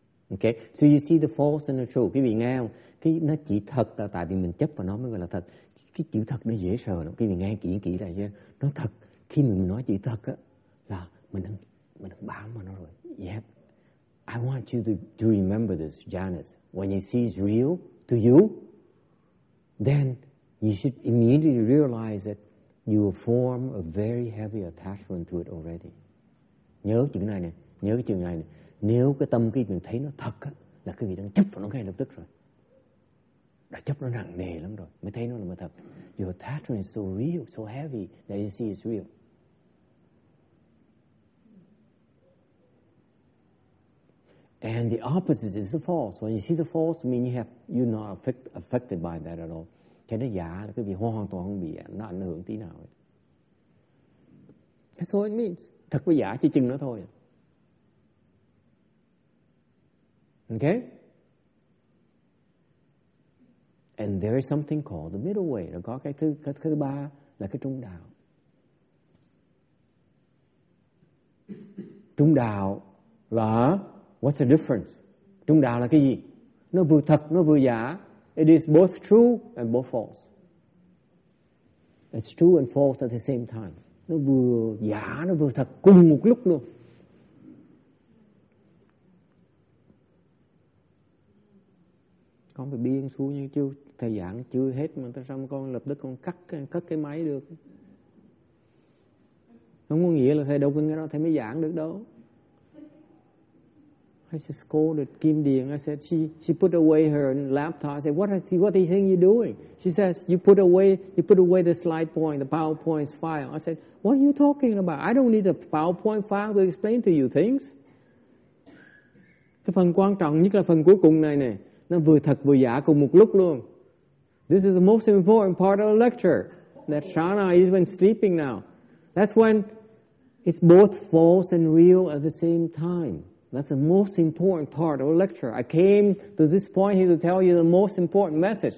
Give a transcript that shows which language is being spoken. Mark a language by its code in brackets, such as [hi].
[en] Okay, so you see the false and the true. [vi] Quý vị nghe không? Cái nó chỉ thật là tại vì mình chấp vào nó mới gọi là thật. Cái chữ thật nó dễ sờ lắm. Quý vị nghe kỹ là chứ. Nó thật. Khi mình nói chữ thật á, là mình đã bám vào nó rồi. [en] Yep. I want you to remember this, Janice. When you see it's real to you, then you should immediately realize that you will form a very heavy attachment to it already. [vi] Nhớ chữ này nè. Nếu cái tâm khi mình thấy nó thật á, là cái gì đang chấp nó ngay lập tức rồi. Đã chấp nó nặng nề lắm rồi. Mới thấy nó là mà thật. [en] Your attachment is so real, so heavy that you see it's real. And the opposite is the false. When you see the false, mean you're not affected by that at all. [vi] Cái nó giả là cái gì hoàn toàn không bị nó ảnh hưởng tí nào. Ấy. [en] That's all it means. [vi] Thật với giả chỉ chừng nó thôi. [en] Okay? And there is something called the middle way. [vi] Nó có cái thứ ba là cái trung đạo. Trung đạo là [en] what's the difference? [vi] Trung đạo là cái gì? Nó vừa thật, nó vừa giả. [en] It is both true and both false. It's true and false at the same time. [vi] Nó vừa giả, nó vừa thật cùng một lúc luôn. Con phải biên xuống như chưa thầy giảng chưa hết mà tại sao con lập tức con cắt cái máy được. Không có nghĩa là thầy đâu có nghe đó thầy mới giảng được đâu. [en] I just scolded Kim Điền. I said she put away her laptop. I said what do you think you're doing? She says you put away the slide point, the PowerPoint file. I said what are you talking about? I don't need a PowerPoint file to explain to you things. [vi] Cái phần quan trọng nhất là phần cuối cùng này nè. Nó vừa thật vừa giả cùng một lúc luôn. [en] This is the most important part of the lecture. That Shana is even sleeping now. That's when it's both false and real at the same time. That's the most important part of the lecture. I came to this point here to tell you the most important message.